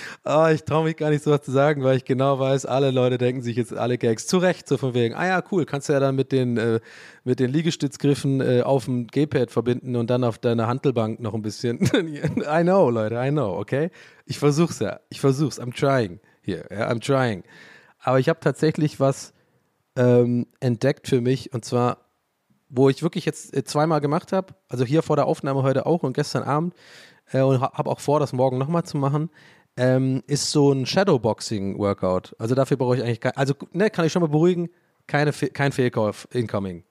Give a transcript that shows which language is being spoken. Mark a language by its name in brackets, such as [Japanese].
[German] Oh, ich traue mich gar nicht, sowas zu sagen, weil ich genau weiß, alle Leute denken sich jetzt alle Gags. Zu Recht, so von wegen, ah ja, cool, kannst du ja dann mit den Liegestützgriffen auf dem G-Pad verbinden und dann auf deiner Hantelbank noch ein bisschen. [English] I know, Leute, I know, okay? [German] Ich versuch's ja, [English] I'm trying here, yeah, I'm trying. [German] Aber ich habe tatsächlich was entdeckt für mich, und zwar, wo ich wirklich jetzt 2-mal gemacht habe, also hier vor der Aufnahme heute auch und gestern Abend, und habe auch vor, das morgen nochmal zu machen. Ist so ein Shadowboxing-Workout. Also dafür brauche ich eigentlich keine, also ne, kann ich schon mal beruhigen, kein Fehlkauf incoming.